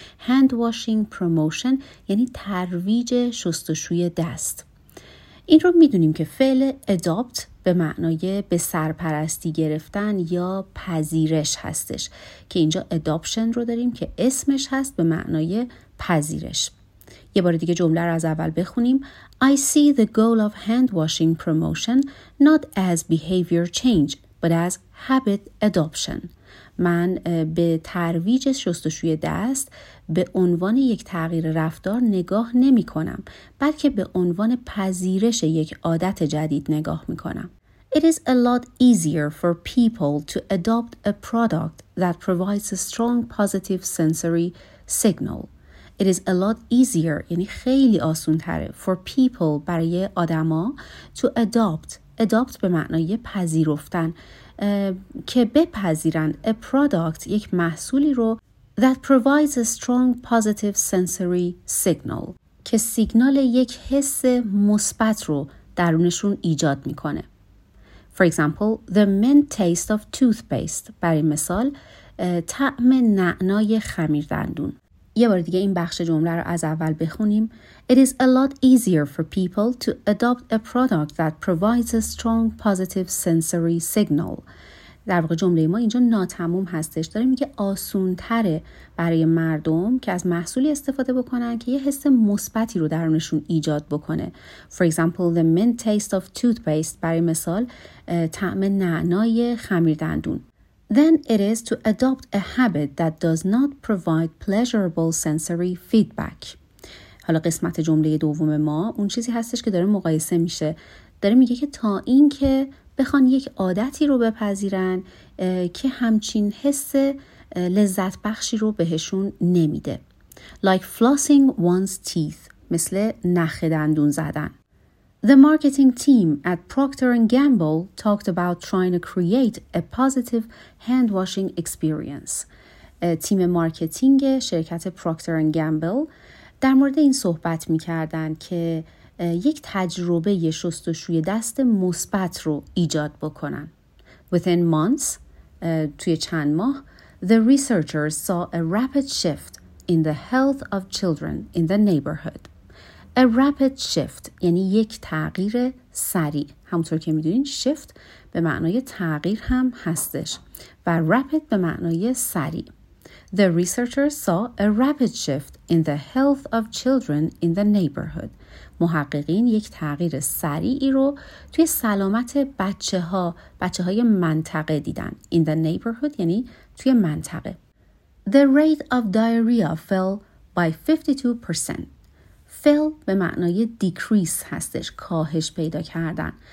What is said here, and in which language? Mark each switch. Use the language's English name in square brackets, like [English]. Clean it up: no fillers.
[English] hand washing promotion [Persian] یعنی ترویج شستشوی دست. این رو میدونیم که فعل adopt به معنای به سرپرستی گرفتن یا پذیرش هستش، که اینجا adoption رو داریم که اسمش هست به معنای پذیرش. یه بار دیگه جمله رو از اول بخونیم. [English] I see the goal of hand washing promotion not as behavior change but as habit adoption. [Persian] من به ترویج شستشوی دست به عنوان یک تغییر رفتار نگاه نمی کنم، بلکه به عنوان پذیرش یک عادت جدید نگاه می کنم. [English] It is a lot easier for people to adopt a product that provides a strong positive sensory signal. It is a lot easier [Persian] یعنی خیلی آسون تره [English] for people [Persian] برای آدما [English] to adopt. [Persian] Adopt به معنای پذیرفتن، که بپذیرن [English] a product [Persian] یک محصولی رو [English] that provides a strong positive sensory signal [Persian] که سیگنال یک حس مثبت رو درونشون ایجاد میکنه. [English] For example, the mint taste of toothpaste [Persian] برای مثال طعم نعنای خمیر دندون. یه بار دیگه این بخش جمله رو از اول بخونیم. [English] It is a lot easier for people to adopt a product that provides a strong positive sensory signal. [Persian] در واقع جمله ما اینجا ناتموم هستش. داره میگه آسون تره برای مردم که از محصولی استفاده بکنن که یه حس مثبتی رو درونشون ایجاد بکنه. [English] For example, the mint taste of toothpaste [Persian] برای مثال طعم نعنای خمیر دندون. [English] Then it is to adopt a habit that does not provide pleasurable sensory feedback. [Persian] حالا قسمت جمله دوم ما اون چیزی هستش که داره مقایسه میشه. داره میگه که تا این که بخوان یک عادتی رو بپذیرن که همچین حس لذت بخشی رو بهشون نمیده. [English] Like flossing one's teeth. [Persian] مثل نخ دندون زدن. [English] The marketing team at Procter & Gamble talked about trying to create a positive hand washing experience. [Persian] تیم مارکتینگ شرکت Procter & Gamble در مورد این صحبت می‌کردن که یک تجربه شستشوی دست مثبت رو ایجاد بکنن. [English] Within months, [Persian] توی چند ماه, [English] the researchers saw a rapid shift in the health of children in the neighborhood. A rapid shift [Persian] یعنی یک تغییر سریع. همونطور که میدونین shift به معنای تغییر هم هستش و rapid به معنای سریع. [English] The researchers saw a rapid shift in the health of children in the neighborhood. [Persian] محققین یک تغییر سریعی رو توی سلامت بچه های منطقه دیدن. [English] In the neighborhood [Persian] یعنی توی منطقه. [English] The rate of diarrhea fell by 52%. [Persian] fell به معنای decrease هستش، کاهش پیدا کردن.